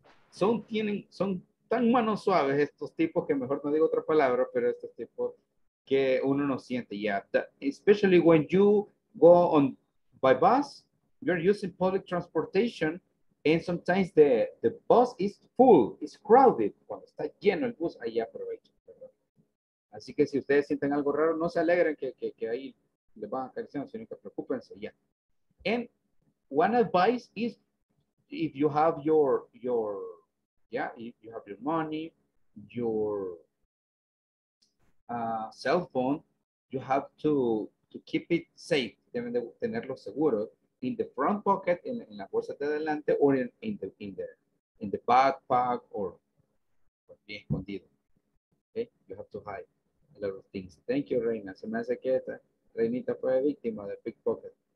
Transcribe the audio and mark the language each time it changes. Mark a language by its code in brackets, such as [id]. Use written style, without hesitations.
[es] son tan manos suaves estos tipos que mejor no digo otra palabra, pero estos tipos que uno no siente, yeah. [en] Especially when you go on by bus, you're using public transportation, and sometimes the bus is full, it's crowded. [es] Cuando está lleno el bus, ahí aprovechen. Así que si ustedes sienten algo raro, no se alegren que hay les van a caer encima, sino que preocupense, ya. [en] Yeah. And one advice is, if you have your yeah, if you have your money, your cell phone, you have to keep it safe, [es] deben de tenerlo seguro, [en] in the front pocket, [es] en la bolsa de adelante, [en] or in the backpack, or [es] bien escondido. [en] Okay, you have to hide a lot of things. Thank you, Reina. [es] Se me hace que esta Reinita fue víctima de pickpocket.